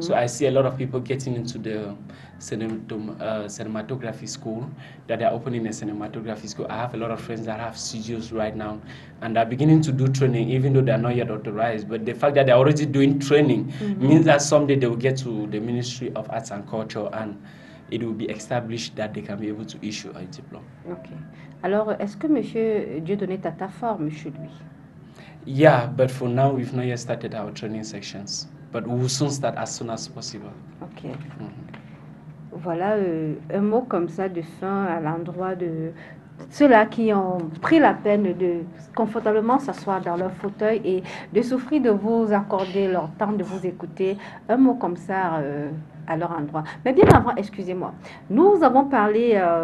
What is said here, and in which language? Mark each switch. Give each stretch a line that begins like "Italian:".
English: So I see a lot of people getting into the cinematography school, that they're opening a cinematography school. I have a lot of friends that have studios right now, and they're beginning to do training, even though they're not yet authorized. But the fact that they're already doing training mm-hmm. means that someday they will get to the Ministry of Arts and Culture, and it will be established that they can be able to issue a diploma. Okay.
French: Alors, est-ce que Monsieur Dieudonné Tata forme chez lui?
English: Yeah, but for now, we've not yet started our training sections. But we will soon start as soon as possible. Okay. Mm-hmm.
French: Voilà un mot comme ça de fin à l'endroit de ceux-là qui ont pris la peine de confortablement s'asseoir dans leur fauteuil et de souffrir de vous accorder leur temps de vous écouter. Un mot comme ça à leur endroit. Mais bien avant, excusez-moi, nous avons parlé...